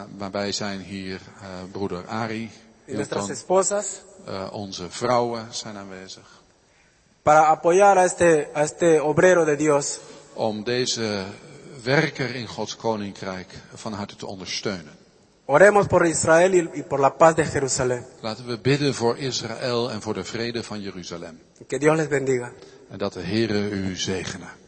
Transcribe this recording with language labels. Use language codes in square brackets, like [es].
[nl] Wij zijn hier broeder Ari Hilton. [es] Y nuestras esposas. [nl] Onze vrouwen zijn aanwezig. [es] Para apoyar a este obrero de Dios. [nl] Om deze werker in Gods koninkrijk van harte te ondersteunen. [es] Oremos por Israel y por la paz de Jerusalén. [nl] Laten we bidden voor Israël en voor de vrede van Jeruzalem. [es] Que Dios les bendiga. [nl] En dat de Heere u zegene.